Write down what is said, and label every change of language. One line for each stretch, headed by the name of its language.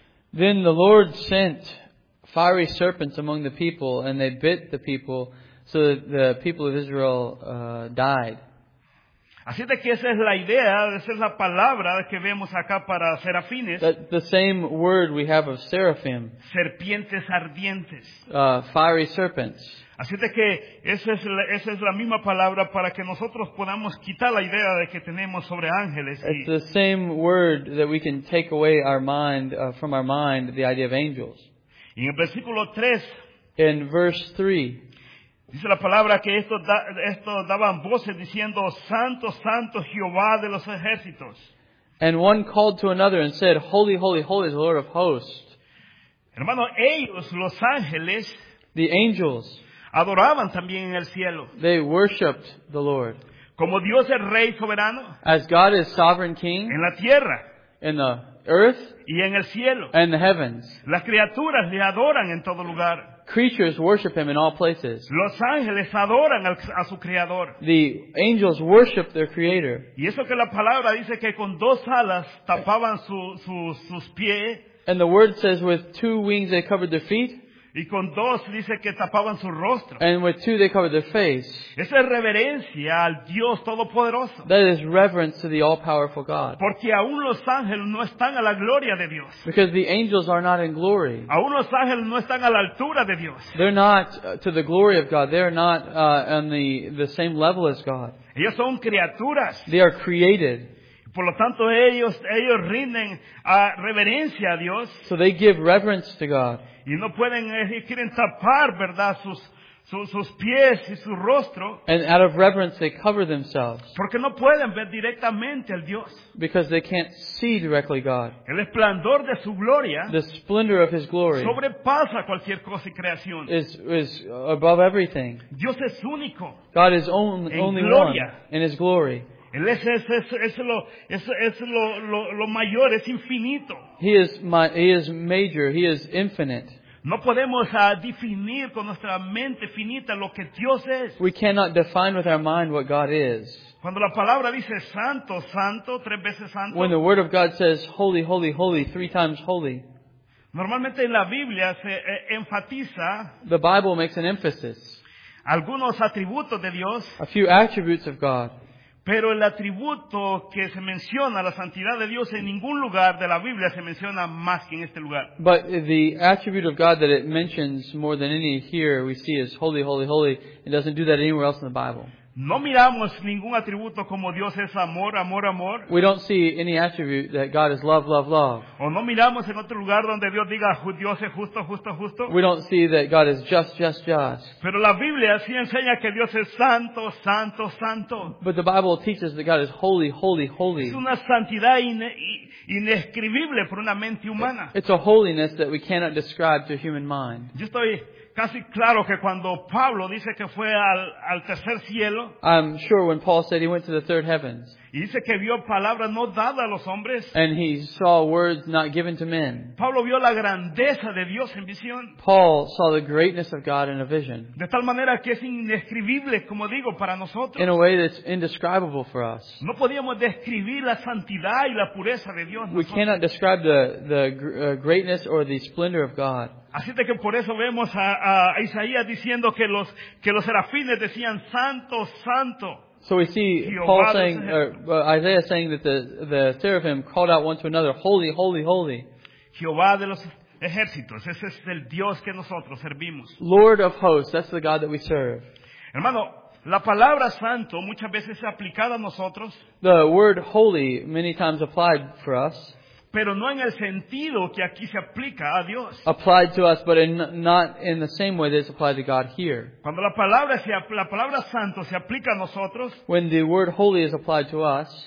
English: Then the Lord sent fiery serpents among the people, and they bit the people, so that the people of Israel died.
Spanish: Así de que esa es la idea, esa es la palabra que vemos acá para serafines.
English: The same word we have of seraphim.
Spanish: Serpientes ardientes.
English: Fiery serpents.
Spanish: Así de que esa es la misma palabra para que nosotros podamos quitar la idea de que tenemos sobre ángeles.
English: It's the same word that we can take away our mind from our mind the idea of angels.
Spanish: Y en el versículo 3.
English: In verse 3.
Spanish: Dice la palabra que estos daban voces diciendo, Santo, Santo, Jehová de los ejércitos.
English: And one called to another and said, Holy, holy, holy, the Lord of hosts.
Spanish: Hermano, ellos, los ángeles,
English: the angels,
Spanish: adoraban también en el cielo.
English: They worshipped the Lord.
Spanish: Como Dios es Rey soberano.
English: As God is sovereign King.
Spanish: En la tierra.
English: In the earth.
Spanish: Y en el cielo.
English: And the heavens.
Spanish: Las criaturas le adoran en todo lugar.
English: Creatures worship him in all places.
Spanish: Los ángeles adoran a su creador.
English: The angels worship their creator.
Spanish: Y eso que la palabra dice que con dos alas tapaban sus pies.
English: And the word says with two wings they covered their feet.
Spanish: Y con dos dice que tapaban su rostro.
English: And with two they covered their face.
Spanish: Esa es reverencia al Dios Todopoderoso.
English: That is reverence to the all-powerful God.
Spanish: Porque aún los ángeles no están a la gloria de Dios.
English: Because the angels are not in glory.
Spanish: Aún los ángeles no están a la altura de Dios.
English: They're not to the glory of God. They're not on the same level as God.
Spanish: Ellos son criaturas.
English: They are created.
Spanish: Por lo tanto, ellos rinden a reverencia a Dios.
English: So they give reverence to God.
Spanish: Y no pueden, quieren tapar, ¿verdad?, sus pies y su rostro.
English: And out of reverence they cover themselves.
Spanish: Porque no pueden ver directamente al Dios.
English: Because they can't see directly God.
Spanish: El esplendor de su gloria.
English: The splendor of his glory.
Spanish: Sobrepasa cualquier cosa y creación.
English: Is above everything.
Spanish: Dios es único.
English: God is only
Spanish: gloria.
English: One in his glory.
Spanish: Él es lo mayor, es infinito.
English: He is major, he is infinite.
Spanish: No podemos definir con nuestra mente finita lo que Dios es.
English: We cannot define with our mind what God is.
Spanish: Cuando la palabra dice santo, santo, tres veces santo.
English: When the word of God says holy, holy, holy, three times holy.
Spanish: Normalmente en la Biblia se enfatiza.
English: The Bible makes an emphasis.
Spanish: Algunos atributos de Dios.
English: A few attributes of God.
Spanish: Pero el atributo que se menciona, la santidad de Dios, en ningún lugar de la Biblia se menciona más que en este lugar.
English: But the attribute of God that it mentions more than any here we see is holy, holy, holy. It doesn't do that anywhere else in the Bible.
Spanish: No miramos ningún atributo como Dios es amor, amor, amor.
English: We don't see any attribute that God is love, love, love.
Spanish: O no miramos en otro lugar donde Dios diga Dios es justo, justo, justo.
English: We don't see that God is just, just, just.
Spanish: Pero la Biblia sí enseña que Dios es santo, santo, santo.
English: But the Bible teaches that God is holy, holy, holy.
Spanish: Es una santidad inescribible por una mente humana.
English: It's a holiness that we cannot describe to human mind.
Spanish: Yo estoy casi claro que cuando Pablo dice que fue al tercer cielo,
English: I'm sure when Paul said he went to the third heavens,
Spanish: y dice que vio palabras no dadas a los hombres,
English: and he saw words not given to men,
Spanish: Pablo vio la grandeza de Dios en visión,
English: Paul saw the greatness of God in a vision,
Spanish: de tal manera que es indescribible, como digo, para nosotros,
English: in a way that's indescribable for us.
Spanish: No podíamos describir la santidad y la pureza de Dios.
English: We cannot describe the greatness or the splendor of God.
Spanish: Así de que por eso vemos a Isaías diciendo que los serafines decían santo, santo.
English: So we see Paul saying, Isaiah saying that the seraphim called out one to another, holy, holy, holy.
Spanish: Jehová de los ejércitos, ese es el Dios que nosotros servimos.
English: Lord of hosts, that's the God that we serve.
Spanish: Hermano, la palabra santo muchas veces es aplicada a nosotros.
English: The word holy many times applied for us.
Spanish: Pero no en el sentido que aquí se aplica a Dios.
English: Applied to us, but not in the same way that it's applied to God here.
Spanish: Cuando la palabra santo se aplica a nosotros,
English: when the word holy is applied to us,